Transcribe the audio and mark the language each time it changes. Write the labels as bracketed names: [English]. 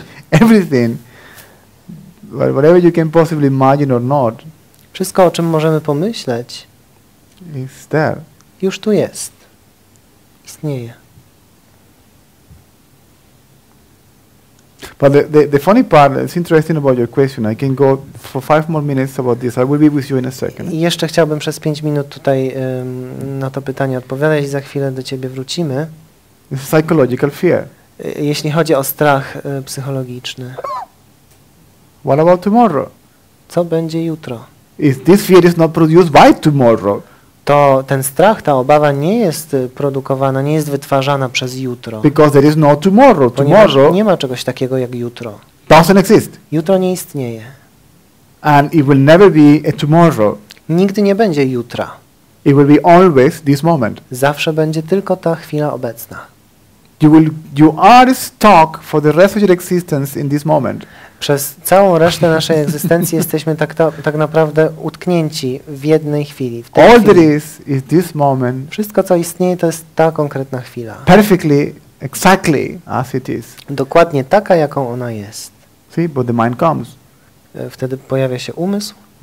[English] Everything, whatever you can possibly imagine or not. [Polish] Wszystko, o czym możemy pomyśleć. [English] Is there. [Polish] Już tu jest. Istnieje. [English] But the funny part is interesting about your question. I can go for 5 more minutes about this. I will be with you in a second. [Polish] I jeszcze chciałbym przez 5 minut tutaj na to pytanie odpowiadać i za chwilę do ciebie wrócimy. [English] It's a psychological fear. [Polish] Jeśli chodzi o strach psychologiczny. [English] What about tomorrow? [Polish] Co będzie jutro? [English] If this fear is not produced by tomorrow. [Polish] To ten strach, ta obawa nie jest produkowana, nie jest wytwarzana przez jutro. [English] Because there is no tomorrow. Tomorrow. [Polish] Nie ma czegoś takiego jak jutro. [English] Doesn't exist. [Polish] Jutro nie istnieje. [English] And it will never be a tomorrow. [Polish] Nigdy nie będzie jutra. [English] It will be always this moment. [Polish] Zawsze będzie tylko ta chwila obecna. [English] You are stuck for the rest of your existence in this moment. [Polish] Przez całą resztę naszej egzystencji jesteśmy tak naprawdę utknięci w jednej chwili. [English] All there is this moment. [Polish] Wszystko, co istnieje, to jest ta konkretna chwila. [English] Perfectly, exactly as it is. [Polish] Dokładnie taka, jaką ona jest. [English] See, but the mind comes. [Polish] Wtedy pojawia się umysł.